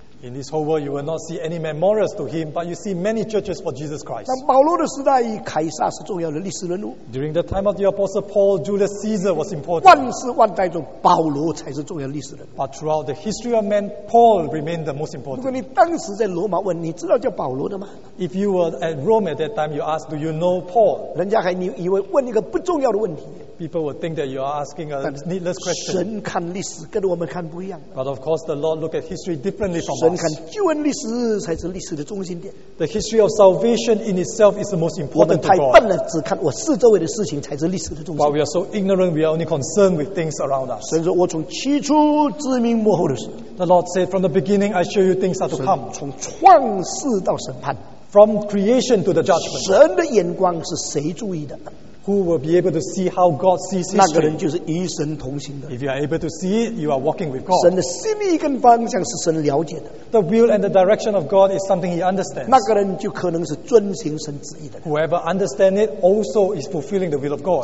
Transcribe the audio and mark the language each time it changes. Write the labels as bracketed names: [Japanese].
[English] In this whole world, you will not see any memorials to him, but you see many churches for Jesus Christ. [Chinese] 那保罗的时代，凯撒是重要的历史人物。 [English] During the time of the Apostle Paul, Julius Caesar was important. [Chinese] 万世万代中，保罗才是重要历史人物。 [English] But throughout the history of man, Paul remained the most important. [Chinese] 如果你当时在罗马问，你知道叫保罗的吗？ [English] If you were at Rome at that time, you ask, do you know Paul? [Chinese] 人家还以为问一个不重要的问题。 [English] People would think that you are asking a needless question. [Chinese] 神看历史跟我们看不一样。 [English] But of course, the Lord looks at history differently from us. [Chinese] 神看救恩历史才是历史的中心点。 [English] The history of salvation in itself is the most important to God. [Chinese] 我们太笨了，只看我四周围的事情才是历史的中心。 [English] While we are so ignorant, we are only concerned with things around us. [Chinese] 神说，我从起初知明幕后的事。 [English] The Lord said, from the beginning, I show you things are to come. [Chinese] 从创世到审判。 [English] From creation to the judgment. [Chinese] 神的眼光是谁注意的？ [English] Who will be able to see how God sees history? [Chinese] 那个人就是与神同行的。 [English] If you are able to see it, you are walking with God. [Chinese] 神的心意跟方向是神了解的。 [English] The will and the direction of God is something he understands. [Chinese] 那个人就可能是遵行神旨意的。 [English] Whoever understands it also is fulfilling the will of God.